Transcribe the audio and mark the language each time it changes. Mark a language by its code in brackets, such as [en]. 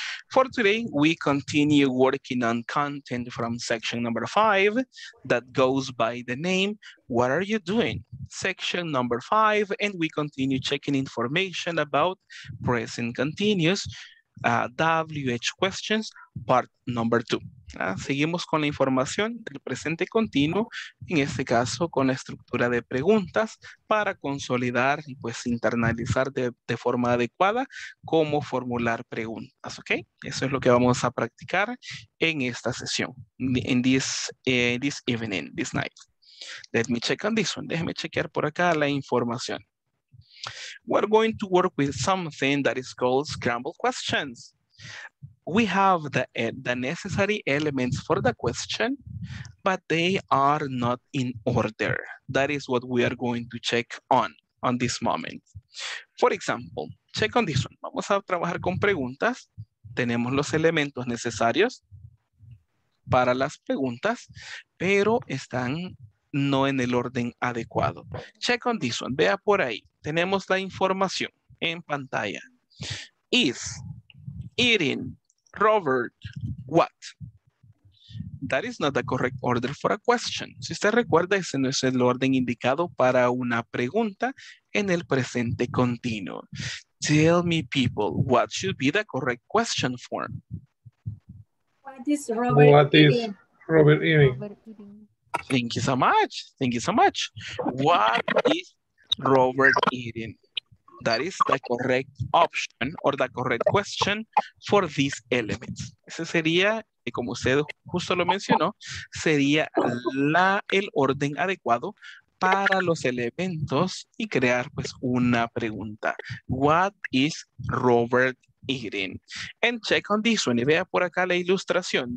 [en] For today, we continue working on content from section number 5 that goes by the name, What Are You Doing? Section number 5, and we continue checking information about present continuous WH questions, part number 2. [es] Seguimos con la información del presente continuo, en este caso con la estructura de preguntas para consolidar y pues internalizar de forma adecuada cómo formular preguntas, ¿ok? Eso es lo que vamos a practicar en esta sesión, en [en] this evening, this night. Let me check on this one. [es] Déjeme chequear por acá la información. [en] We're going to work with something that is called scramble questions. We have the necessary elements for the question, but they are not in order. That is what we are going to check on this moment. For example, check on this one. [es] Vamos a trabajar con preguntas. Tenemos los elementos necesarios para las preguntas, pero están no en el orden adecuado. [en] Check on this one. [es] Vea por ahí. Tenemos la información en pantalla. [en] Is eating Robert, what? That is not the correct order for a question. [es] Si usted recuerda, ese no es el orden indicado para una pregunta en el presente continuo. [en] Tell me, people, what should be the correct question form? What is Robert eating? Thank you so much. Thank you so much. What is Robert eating? That is the correct option or the correct question for these elements. [es] Ese sería, como usted justo lo mencionó, sería el orden adecuado para los elementos y crear pues una pregunta. [en] What is Robert eating? And check on this one. [es] Y vea por acá la ilustración.